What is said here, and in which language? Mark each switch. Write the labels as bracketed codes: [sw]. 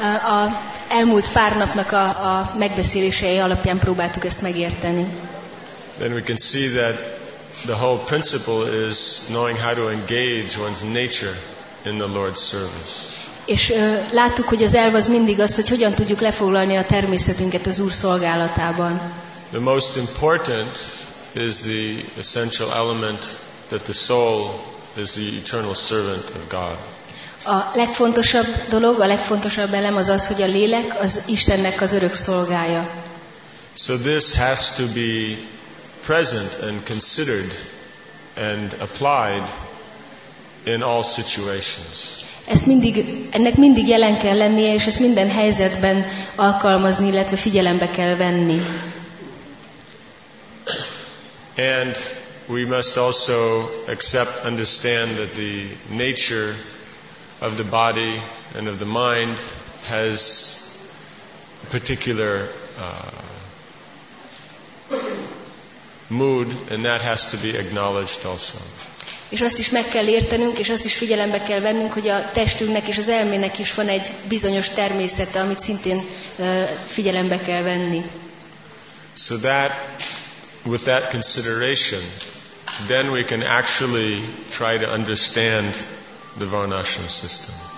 [hu] a elmúlt pár napnak a megbeszélései alapján próbáltuk ezt megérteni. [en] Then we can see that the whole principle is knowing how to engage one's nature in the Lord's service. [hu] És láttuk, hogy az elv az mindig az, hogy hogyan tudjuk lefoglalni a természetünket az Úr szolgálatában. [en] The most important is the essential element that the soul is the eternal servant of God. [hu] A legfontosabb dolog, a legfontosabb elem az az, hogy a lélek az Istennek az örök szolgája. [en] So this has to be present and considered and applied in all situations. [hu] Ennek mindig jelen kell lennie, és ezt minden helyzetben alkalmazni, illetve figyelembe kell venni. [en] And we must also accept, understand that the nature of the body and of the mind has a particular mood, and that has to be acknowledged also. [hu] És azt is meg kell értenünk, és azt is figyelembe kell vennünk, hogy a testünknek és az elmének is van egy bizonyos természete, amit szintén figyelembe kell venni. [en] So that, with that consideration, then we can actually try to understand the Varnashram system.